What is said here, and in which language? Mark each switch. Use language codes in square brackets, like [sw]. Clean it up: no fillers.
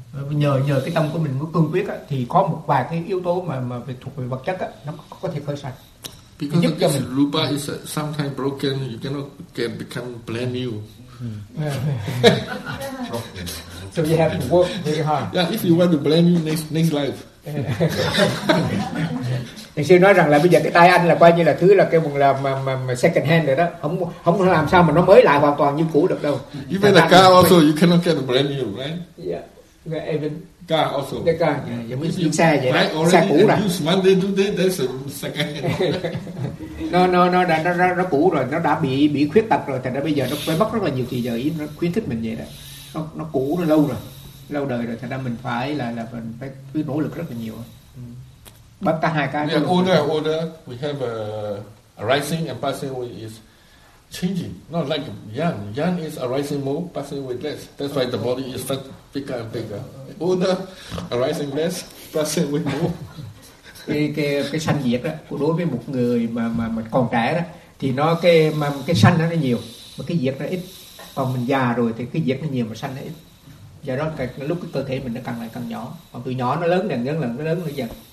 [vi] Nhờ cái tâm của mình có cương quyết á, thì có một vài cái yếu tố mà về thuộc về vật chất á, nó có thể khởi sanh. [en] Because this rupa is sometimes broken, you cannot can become brand new. So you have to work very hard. Yeah, if you want to brand new next life. [vi] Thầy sư nói rằng là bây giờ cái tay anh là coi như là thứ là cái một là mà [en] second hand [vi] rồi đó, không làm sao mà nó mới lại hoàn toàn như cũ được đâu. [en] Even the car also, you cannot get a brand new, right? Yeah. Even car also. The car, [vi] giống như xe vậy đó, xe cũ rồi. [en] Use Monday to day, that's a second hand. [vi] nó cũ rồi, nó đã bị khuyết tật rồi, thành ra bây giờ nó phải mất rất là nhiều thời giờ, nó khuyến khích mình vậy đó. Nó cũ nó lâu rồi, lâu đời rồi, thành ra mình phải là mình phải cứ nỗ lực rất là nhiều. Bắt cả hai cái. [en] We are older. We have a rising and passing away is changing. Not like young. Young is arising more, passing away less. That's why the body is fat, bigger and bigger. Older, arising less, passing away more. [vi] cái sanh diệt đó, đối với một người mà còn trẻ đó, thì nó cái sanh nó nhiều, mà cái diệt nó ít. Còn mình già rồi thì cái dịch nó nhiều mà sanh nó ít. Do đó cái lúc cái cơ thể mình nó càng lại càng nhỏ. Còn từ nhỏ nó lớn dần dần lần nó lớn nó dần.